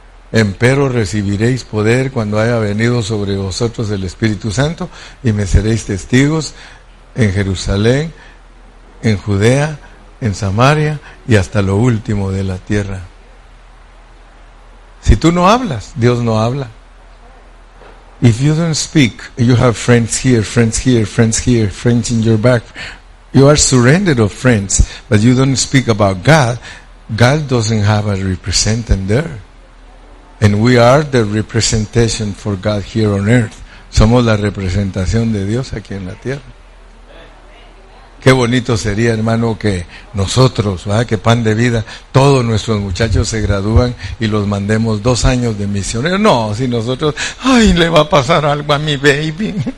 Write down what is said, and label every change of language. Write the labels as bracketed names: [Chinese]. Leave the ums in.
[Spanish] Empero recibiréis poder cuando haya venido sobre vosotros el Espíritu Santo y me seréis testigos en Jerusalén, en Judea, en Samaria y hasta lo último de la tierra. Si tú no hablas, Dios no habla. [English] If you don't speak, you have friends here, friends here, friends here, friends in your back. You are surrounded of friends, but you don't speak about God. God doesn't have a representative there. And we are the representation for God here on earth. [Spanish] Somos la representación de Dios aquí en la tierra. Qué bonito sería, hermano, que nosotros, ¿verdad? que pan de vida, todos nuestros muchachos se gradúan y los mandemos dos años de misionero. No, si nosotros, ay, le va a pasar algo a mi baby.